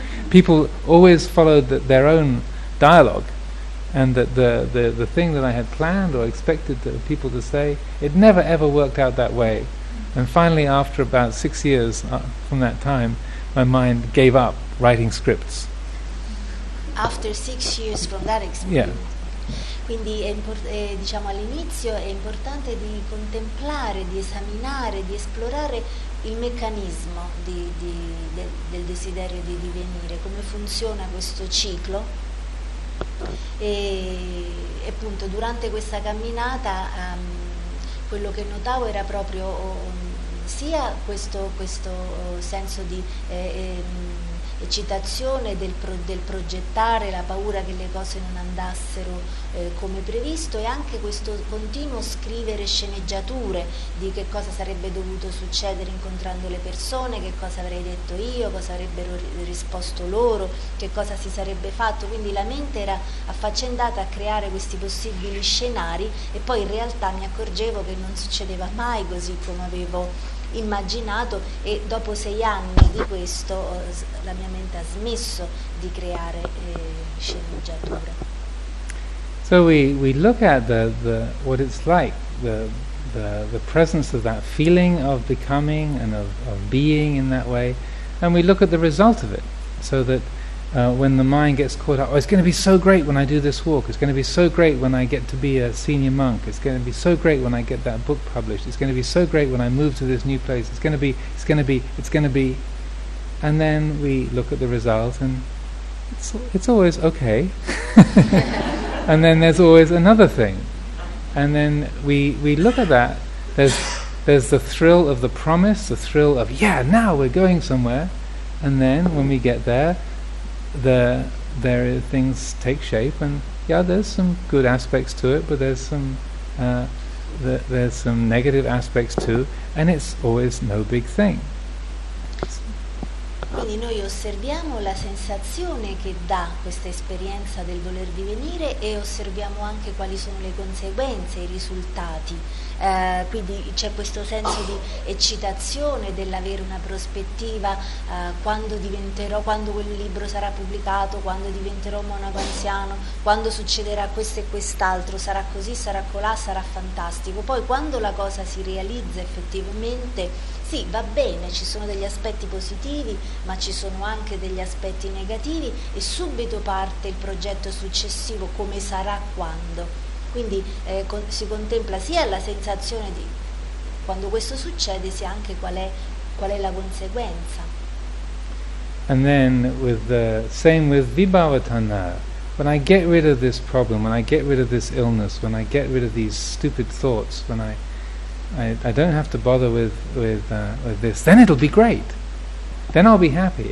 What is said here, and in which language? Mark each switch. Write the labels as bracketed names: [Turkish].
[English] People always followed their own dialogue, and that the thing that I had planned or expected the people to say, it never ever worked out that way. And finally, after about 6 years from that time, my mind gave up writing scripts. After 6 years from that experience. Yeah. [Italian] Quindi diciamo all'inizio è importante di contemplare, di esaminare, di esplorare il meccanismo del desiderio di divenire, come funziona questo ciclo. E appunto durante questa camminata quello che notavo era proprio sia questo senso di eccitazione del progettare, la paura che le cose non andassero come previsto, e anche questo continuo scrivere sceneggiature di che cosa sarebbe dovuto succedere incontrando le persone, che cosa avrei detto io, cosa avrebbero risposto loro, che cosa si sarebbe fatto. Quindi la mente era affaccendata a creare questi possibili scenari, e poi in realtà mi accorgevo che non succedeva mai così come avevo immaginato, e dopo 6 anni di questo la mia mente ha smesso di creare sceneggiature. [English] So we look at the what it's like, the presence of that feeling of becoming and of being in that way, and we look at the result of it, so that when the mind gets caught up, oh, it's going to be so great when I do this walk, it's going to be so great when I get to be a senior monk, it's going to be so great when I get that book published, it's going to be so great when I move to this new place, it's going to be, and then we look at the result and it's always okay. And then there's always another thing, and then we look at that, there's the thrill of the promise, the thrill of yeah, now we're going somewhere, and then when we get there, there are things take shape, and yeah, there's some good aspects to it, but there's some negative aspects too, and it's always no big thing. [Italian] Quindi noi osserviamo la sensazione che dà questa esperienza del voler divenire, e osserviamo anche quali sono le conseguenze, i risultati. Quindi c'è questo senso di eccitazione dell'avere una prospettiva, quando diventerò, quando quel libro sarà pubblicato, quando diventerò monaco anziano, quando succederà questo e quest'altro, sarà così, sarà colà, sarà fantastico. Poi quando la cosa si realizza effettivamente, sì, va bene, ci sono degli aspetti positivi, ma ci sono anche degli aspetti negativi, e subito parte il progetto successivo, come sarà, quando. Quindi si contempla sia la sensazione di quando questo succede, sia anche qual è la conseguenza. [English] And then with the same with Vibhavatana, when I get rid of this problem, when I get rid of this illness, when I get rid of these stupid thoughts, when I don't have to bother with this, then it'll be great. Then I'll be happy.